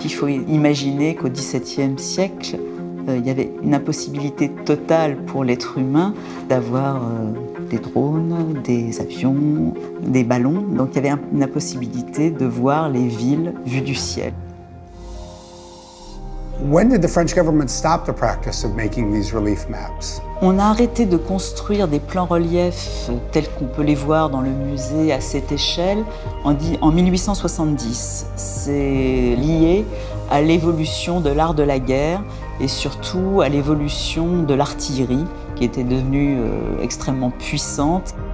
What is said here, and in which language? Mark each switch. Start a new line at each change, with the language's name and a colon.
French: Il faut imaginer qu'au XVIIe siècle, il y avait une impossibilité totale pour l'être humain d'avoir des drones, des avions, des ballons. Donc il y avait une impossibilité de voir les villes vues du ciel.
English: When did the French government stop the practice of making these relief maps?
French: On a arrêté de construire des plans-reliefs tels qu'on peut les voir dans le musée à cette échelle en 1870. C'est lié à l'évolution de l'art de la guerre et surtout à l'évolution de l'artillerie qui était devenue extrêmement puissante.